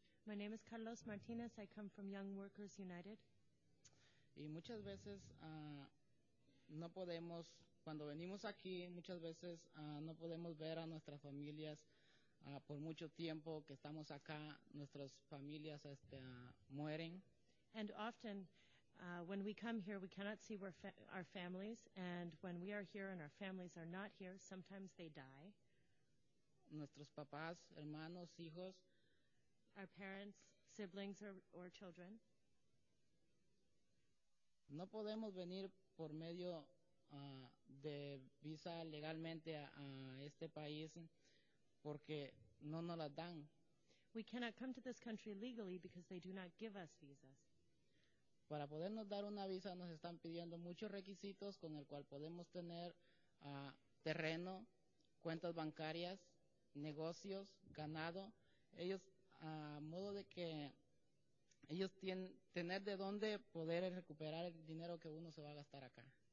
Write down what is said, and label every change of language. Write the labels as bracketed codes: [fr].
[en] My name is Carlos Martínez. I come from Young Workers United. [es] Y muchas veces no podemos, cuando venimos aquí, muchas veces no podemos ver a nuestras familias por mucho tiempo que estamos acá. Nuestras familias mueren. [en] And often, when we come here, we cannot see our families, and when we are here and our families are not here, sometimes they die. [es] Nuestros papás, hermanos, hijos. [en] Our parents, siblings, or children. [es] No podemos venir por medio de visa legalmente a este país porque no nos la dan. [en] We cannot come to this country legally because they do not give us visas. [es] Para podernos dar una visa nos están pidiendo muchos requisitos con el cual podemos tener terreno, cuentas bancarias, negocios, ganado. Ellos, a modo de que ellos tienen tener de dónde poder recuperar el dinero que uno se va a gastar acá.